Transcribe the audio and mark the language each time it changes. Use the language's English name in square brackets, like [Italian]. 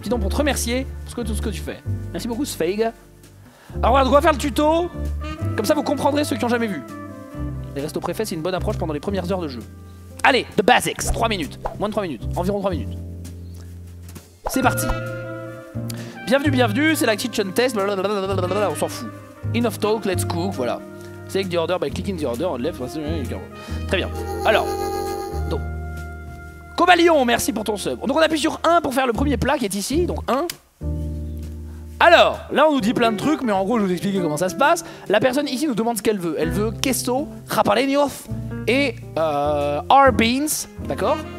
[French] Dis donc pour te remercier pour tout ce que tu fais. Merci beaucoup, Sveig. Alors voilà, donc on va faire le tuto. Comme ça vous comprendrez ceux qui n'ont jamais vu. Les restos préfets, c'est une bonne approche pendant les premières heures de jeu. Allez, [English] the basics, [French] 3 minutes, moins de 3 minutes, environ 3 minutes. C'est parti. Bienvenue, bienvenue, c'est la kitchen test, blablabla, on s'en fout. [English] Enough talk, let's cook, voilà. Select the order by clicking the order on left. [French] Très bien, alors. Donc, Cobalion, merci pour ton sub. Donc on appuie sur 1 pour faire le premier plat qui est ici, donc 1. Alors, là on nous dit plein de trucs, mais en gros je vais vous expliquer comment ça se passe. La personne ici nous demande ce qu'elle veut. Elle veut queso, rapaleños et R beans, d'accord.